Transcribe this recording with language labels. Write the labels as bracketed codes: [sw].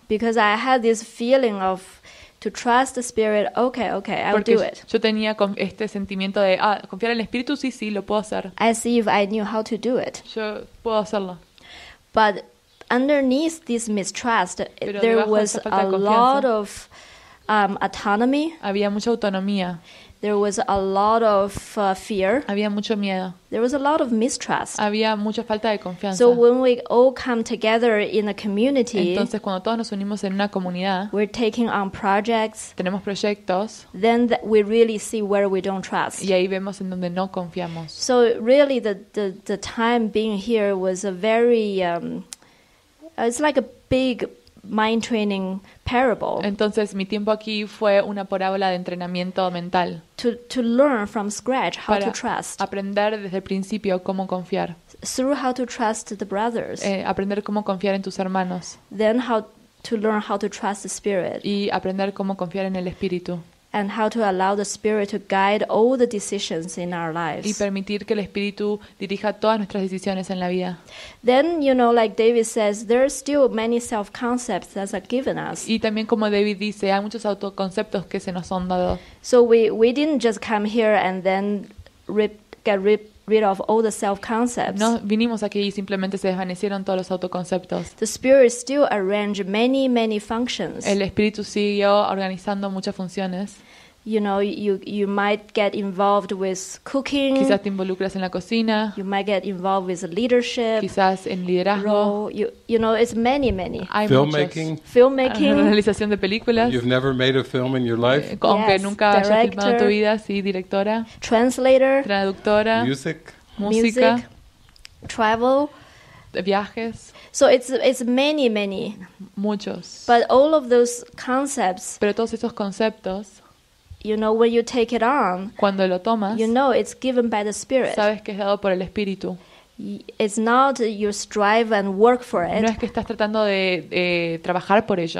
[en] Because I had this feeling of to trust the spirit. Okay, I'll [es] porque [en] do it. [es] Yo tenía este sentimiento de confiar en el espíritu, sí, lo puedo hacer. [en] I see if I knew how to do it. [es] Yo puedo hacerlo. [en] But underneath this mistrust, [es] pero [en] there was [es] de esta falta [en] a lot of autonomy. [es] Había mucha autonomía. [en] There was a lot of fear. [es] Había mucho miedo. [en] There was a lot of mistrust. [es] Había mucha falta de confianza. [en] So when we all come together in a community, [es] entonces cuando todos nos unimos en una comunidad, [en] we're taking on projects. [es] Tenemos proyectos. [en] Then we really see where we don't trust. [es] Y ahí vemos en donde no confiamos. [en] So really, the time being here was a very, it's like a big mind training parable. [es] Entonces mi tiempo aquí fue una parábola de entrenamiento mental. [en] To learn from scratch how [es] para [en] to trust. [es] Aprender desde el principio cómo confiar. [en] Through how to trust the brothers. [es] Aprender cómo confiar en tus hermanos. [en] Then how to learn how to trust the spirit. [es] Y aprender cómo confiar en el espíritu. [en] And how to allow the spirit to guide all the decisions in our lives. [es] Y permitir que el espíritu dirija todas nuestras decisiones en la vida. [en] Then, you know, like David says, there are still many self-concepts that are given us. [es] Y también como David dice, hay muchos autoconceptos que se nos han dado. [en] So we didn't just come here and then get rid of all the self-concepts. [es] No, vinimos aquí y simplemente se desvanecieron todos los autoconceptos. [en] The spirit still arranged many, many functions. [es] El espíritu siguió organizando muchas funciones. [en] You know, you might get involved with cooking. [es] Quizás te involucras en la cocina. [en] You might get involved with leadership. [es] Quizás en liderazgo. [en] You know, it's many, many. [es] Hay filmmaking. Muchos. Filmmaking. Realización de películas. [en] You've never made a film in your life. [es] Aunque nunca director, hayas filmado en tu vida, sí, directora. [en] Translator. [es] Traductora. [en] Music. [es] Música. [en] Music, travel. [es] Viajes. [en] So it's many, many. [es] Muchos. [en] But all of those concepts. [es] Pero todos esos conceptos. [en] You know, when you take it on, [es] cuando lo tomas, [en] you know it's given by the spirit. [es] Sabes que es dado por el espíritu. [en] It's not you strive and work for it. [es] No es que estás tratando de trabajar por ello.